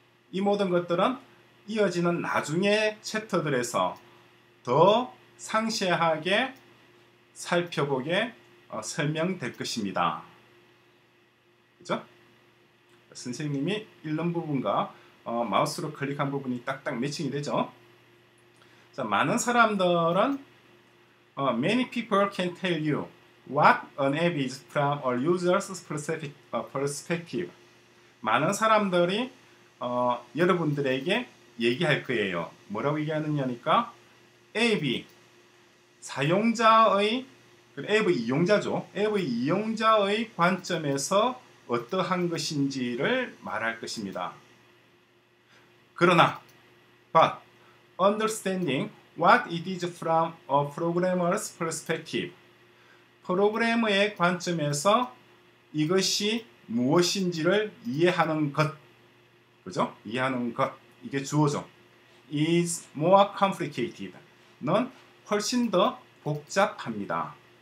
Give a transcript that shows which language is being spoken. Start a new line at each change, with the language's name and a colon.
Korean: 이 모든 것들은 이어지는 나중에 챕터들에서 더 상세하게 살펴보게 설명될 것입니다. 그죠? 선생님이 읽는 부분과 마우스로 클릭한 부분이 딱딱 매칭이 되죠. 자, 많은 사람들은
English: many people can tell you what an app is from a user's perspective.
Korean: 많은 사람들이 여러분들에게 얘기할 거예요. 뭐라고 얘기하느냐니까 앱이 사용자의 앱의 이용자죠. 앱의 이용자의 관점에서 어떠한 것인지를 말할 것입니다. 그러나
English: but understanding what it is from a programmer's perspective.
Korean: 프로그래머의 관점에서 이것이 무엇인지를 이해하는 것. 그죠? 이해하는 것. 이게 주어죠.
English: is more complicated.
Korean: 넌 훨씬 더 복잡합니다.